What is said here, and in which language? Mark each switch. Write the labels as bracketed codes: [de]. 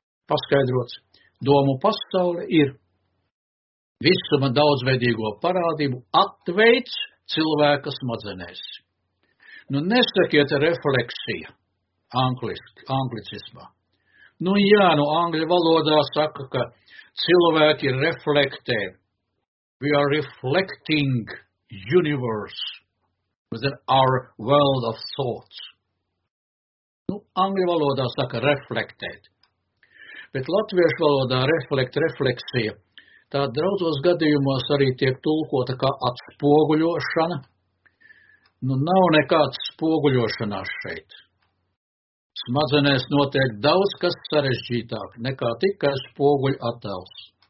[lv] paskaidrots, domu pasaule ir visuma daudzveidīgo parādību atveids cilvēka smadzenēs. Nu, nesakiet refleksija anglicismā. Nu, jā, nu, angļu valodā saka, ka cilvēki reflektē. [en] We are reflecting universe within our world of thoughts. [lv] Nu, angļu valodā saka reflektēt. Bet latviešu valodā refleksija, tā draudzos gadījumos arī tiek tulkota kā atspoguļošana. Nu, nav nekāds spoguļošanās šeit. Smadzenēs notiek daudz, kas sarežģītāk, nekā tikai spoguļa attēls.